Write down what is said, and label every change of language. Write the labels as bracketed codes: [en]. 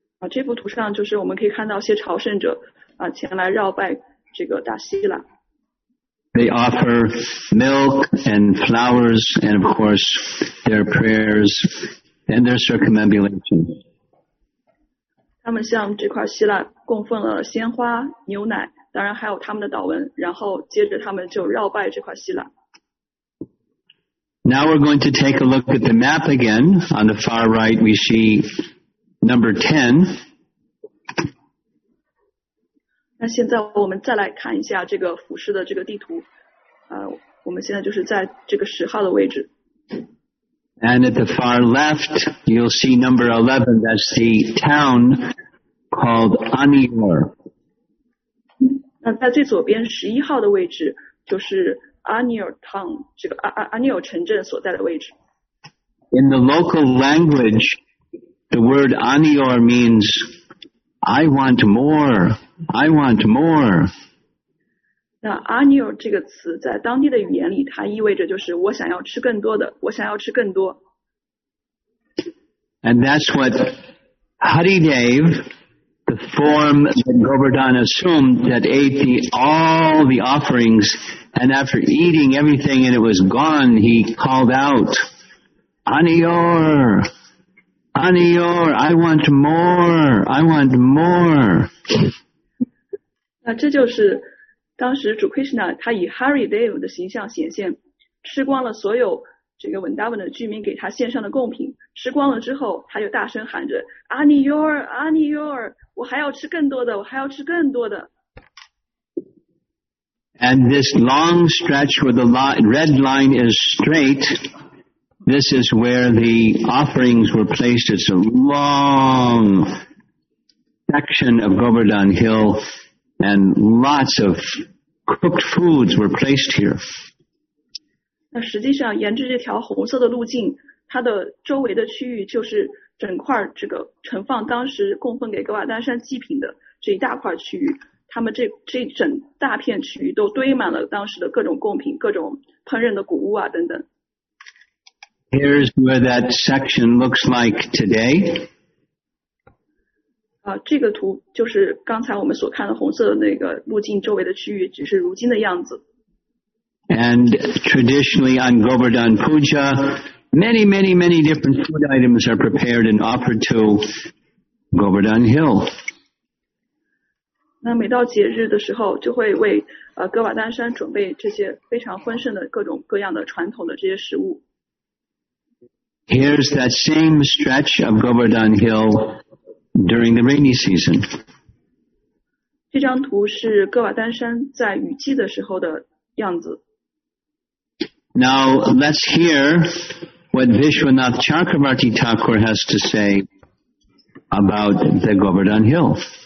[zh] 这幅图上就是我们可以看到一些朝圣者前来绕拜这个大希腊。 [en] They offer milk and flowers and, of course, their prayers and their circumambulation. [zh] 他们向这块希腊供奉了鲜花、牛奶，当然还有他们的祷文，然后接着他们就绕拜这块希腊。 [en] Now we're going to take a look at the map again. On the far right, we see number 10. [zh] 那现在我们再来看一下这个俯视的这个地图，我们现在就是在这个十号的位置。 [en] And at the far left, you'll see number 11. That's the town called Anior. [zh] 那在最左边十一号的位置就是 Anior Town 这个Anior城镇所在的位置。 [en] In the local language, the word Anior means I want more. I want more. [zh] 那 Anior 这个词在当地的语言里它意味着就是我想要吃更多的，我想要吃更多。 [en] And that's what Haridev, the form that Govardhan assumed that ate all the offerings and after eating everything and it was gone, he called out, Anior, Anior, I want more, I want more. [zh] 那这就是当时主 Krishna 他以 Haridev 的形象显现，吃光了所有这个文达文的居民给他献上的贡品，吃光了之后他就大声喊着 Anior Anior， 我还要吃更多的，我还要吃更多的。 [en] And this long stretch where the red line is straight, this is where the offerings were placed. It's a long section of Govardhan Hill. And lots of cooked foods were placed here. [zh] 那实际上，沿着这条红色的路径，它的周围的区域就是整块这个盛放当时供奉给噶瓦丹山祭品的这一大块区域。他们这整大片区域都堆满了当时的各种贡品、各种烹饪的谷物啊等等。 [en] Here's where that section looks like today. [zh] 这个图就是刚才我们所看的红色的那个路径周围的区域，只是如今的样子。 [en] And traditionally on Govardhan Puja, many, many, many different food items are prepared and offered to Govardhan Hill. [zh] 那每到节日的时候，就会为噶瓦丹山准备这些非常丰盛的各种各样的传统的这些食物。 [en] Here's that same stretch of Govardhan Hill during the rainy season. [zh] 这张图是哥瓦丹山在雨季的时候的样子。 [en] Now let's hear what Vishwanath Chakravarti Thakur has to say about the Govardhan Hill.